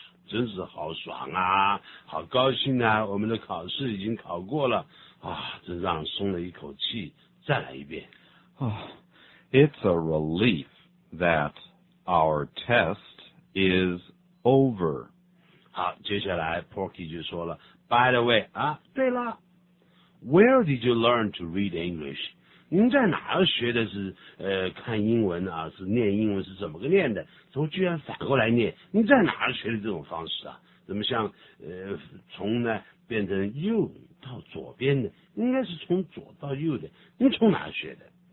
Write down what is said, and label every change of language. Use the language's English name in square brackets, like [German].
[Chinese] 真是好爽啊，好高兴啊，我们的考试已经考过了。啊，真让松了一口气，再来一遍。 [English] Oh, it's a relief that our test is over. [Chinese] 好，接下来 [English] Porky 就说了 ,By the way, [Chinese] 啊，对了 [English] ,Where did you learn to read English? [Chinese] 您在哪儿学的是看英文啊，是念英文是怎么个念的，怎么居然反过来念，您在哪儿学的这种方式啊，怎么像从呢变成右到左边的，应该是从左到右的，您从哪儿学的。